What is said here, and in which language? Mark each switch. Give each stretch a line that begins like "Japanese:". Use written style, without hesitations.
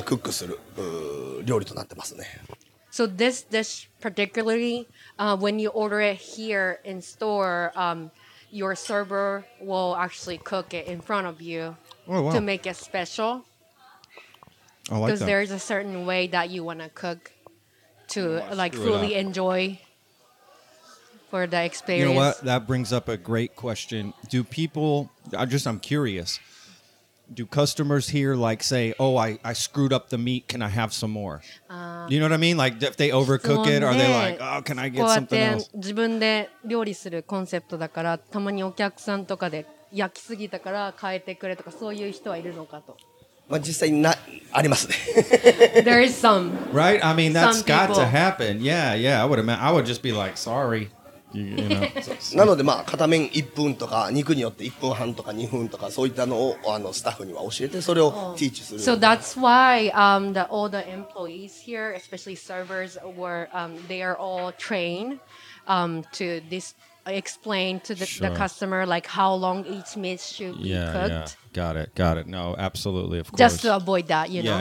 Japanese: コンセプトは、すき焼きに関しては、これに関しては、うちで唯一、サーバーが、クックする、料理となってますね。So
English: this dish particularly, when you order it here in store, your server will actually cook it in front of you to make it special. I like that. Because there's a certain way that you want to cook to fully enjoy for the experience. You know what? That brings up a great question. Do people, I'm curious, do customers here like say, oh, I screwed up the meat, can I have some more? You know what I mean? Like if they overcook it, are they like, oh, can I get something else?
Japanese: 自分で料理するコンセプトだから、たまにお客さんとかで焼きすぎたから変えてくれとか、そういう人はいるのかと。まあ実際にありますね。
English: There is some. Right? I mean, that's got to happen. Yeah, yeah. I would just be like, sorry. You know.
Japanese: なのでまあ片面1分とか肉によって1分半とか2分とかそういったのをスタッフには教えてそれをティーチする。
English: So that's why all the employees here, especially servers, they are all trained to this explain to the customer like how long each meat should be cooked. Yeah, got it. No, absolutely, of course. Just to avoid that, you know.